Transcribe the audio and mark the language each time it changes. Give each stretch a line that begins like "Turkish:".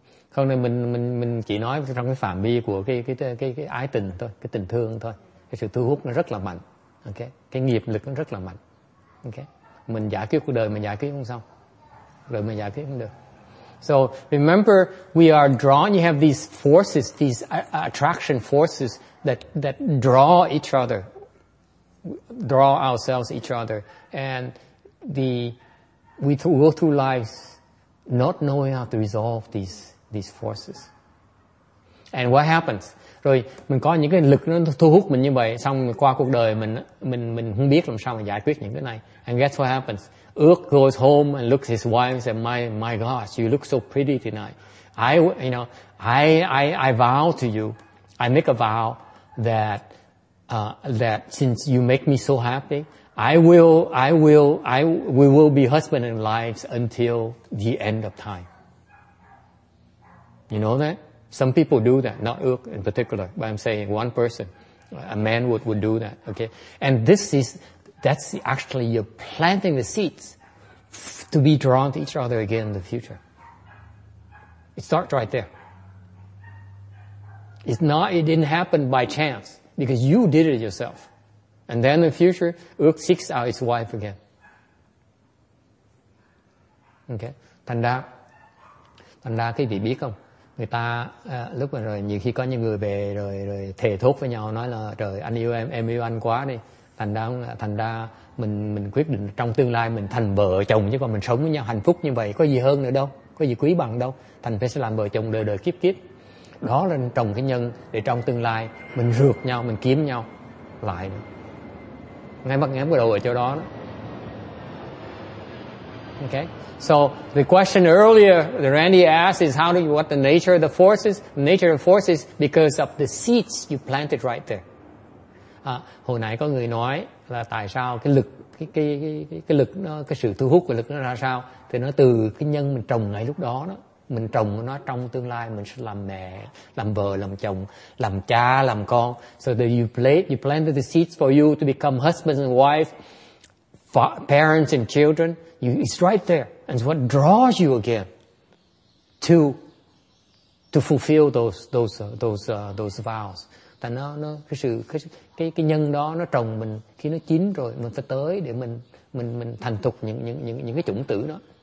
Vietnamese: không, nên mình chỉ nói trong cái phạm vi của cái ái tình thôi, cái tình thương thôi. Cái sự thu hút nó rất là mạnh, ok? Cái nghiệp lực nó rất là mạnh, ok? Mình giải quyết cuộc đời mình giải quyết không xong, rồi mình giải quyết không được.
English: So remember, we are drawn. You have these forces, these attraction forces that draw each other, draw ourselves each other, and we go through lives not knowing how to resolve these forces. And what happens?
Vietnamese: Rồi mình có những cái lực nó thu hút mình như vậy, xong qua cuộc đời mình không biết làm sao mà giải quyết những cái này.
English: And guess what happens? Ước goes home and looks at his wife and says, my gosh, you look so pretty tonight. I vow to you, I make a vow that since you make me so happy, we will be husband and wife until the end of time. You know that? Some people do that, not Ước in particular, but I'm saying one person, a man would do that, okay? And that's actually you're planting the seeds to be drawn to each other again in the future. It starts right there. It didn't happen by chance because you did it yourself. And then in the future, Ước seeks out his wife again. Okay?
Vietnamese: Thành ra quý vị biết không? Người ta lúc mà rồi nhiều khi có những người về rồi thề thốt với nhau nói là trời anh yêu em yêu anh quá đi. Thành ra mình quyết định trong tương lai mình thành vợ chồng chứ còn mình sống với nhau hạnh phúc như vậy có gì hơn nữa đâu, có gì quý bằng đâu. Thành phải sẽ làm vợ chồng đời đời kiếp kiếp. Đó là trồng cái nhân để trong tương lai mình rượt nhau, mình kiếm nhau lại. Ngay mắt ngắm cái đầu ở chỗ đó.
English: Okay. So the question earlier that Randy asked is what the nature of the forces? The nature of the forces because of the seeds you planted right there.
Vietnamese: Hồi nãy có người nói là tại sao cái sự thu hút của lực nó ra sao? Thì nó từ cái nhân mình trồng ngay lúc đó đó. Mình trồng nó trong tương lai mình sẽ làm mẹ, làm vợ, làm chồng, làm cha, làm con.
English: So that you planted the seeds for you to become husband and wife, parents and children. It's right there. And it's what draws you again to fulfill those vows.
Vietnamese: Tại nó cái nhân đó nó trồng mình khi nó chín rồi mình phải tới để mình thành thục những cái chủng tử đó.